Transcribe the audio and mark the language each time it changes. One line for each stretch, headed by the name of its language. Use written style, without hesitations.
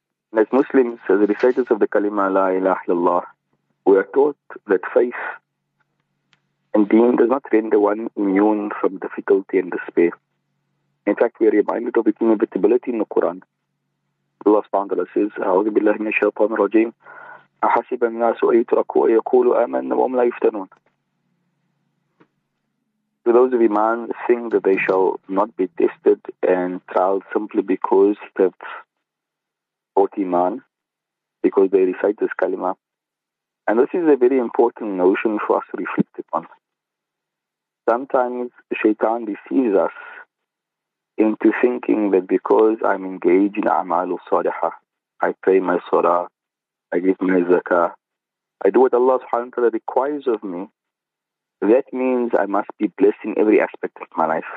English: And as Muslims, as the reciters of the Kalima La ilaha illallah, we are taught that faith and deen does not render one immune from difficulty and despair. In fact, we are reminded of its inevitability in the Quran. Allah subhanahu wa ta'ala says,
Arabic: أعوذ بالله من الشيطان الرجيم أحسب الناس أن يتركوا أن يقولوا آمنا وهم لا يفتنون.
English: To those of iman think that they shall not be tested and trialed simply because they have brought iman, because they recite this kalima. And this is a very important notion for us to reflect upon. Sometimes shaitan deceives us into thinking that because I'm engaged in amal al-saliha, I pray my salah, I give my zakah, I do what Allah subhanahu wa ta'ala requires of me, that means I must be blessed in every aspect of my life.